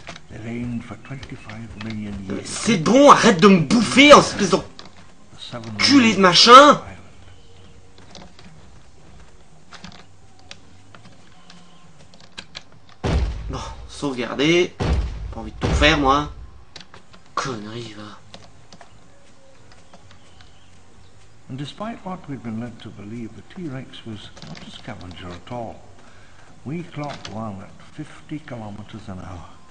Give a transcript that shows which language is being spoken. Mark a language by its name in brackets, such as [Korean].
[English] They reigned for 25 million years. [French] Mais c'est bon, arrête de me bouffer en espèce d'enculé de machin! Sauvegarder, pas envie de tout faire moi. Connerie va. [English] And despite what we've been led to believe, the T-Rex was not a scavenger at all. We clocked one at 50 kilometers an hour.